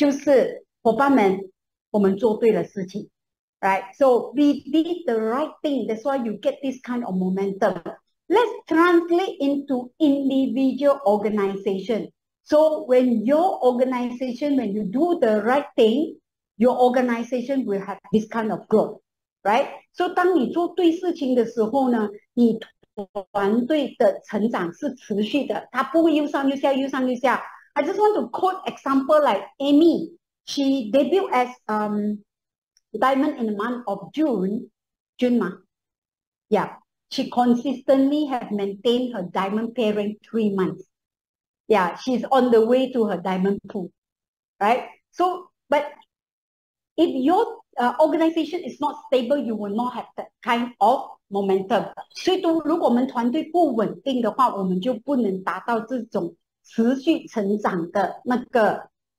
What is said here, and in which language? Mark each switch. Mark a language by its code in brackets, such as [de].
[zh] 所以这一个这样的成长，就是伙伴们，我们做对了事情。 [en] Right, so we did the right thing. That's why you get this kind of momentum. Let's translate into individual organization. So when your organization, when you do the right thing, your organization will have this kind of growth. [zh] Right, so 当你做对事情的时候呢，你团队的成长是持续的，它不会又上又下，又上又下。 [en] I just want to quote example like Amy. She debuted as diamond in the month of June. Yeah, she consistently have maintained her diamond pairing 3 months. Yeah, she's on the way to her diamond pool, right? So, but if your organization is not stable, you will not have that kind of momentum. [zh] 所以，如果我们团队不稳定的话，我们就不能达到这种持续成长的那个。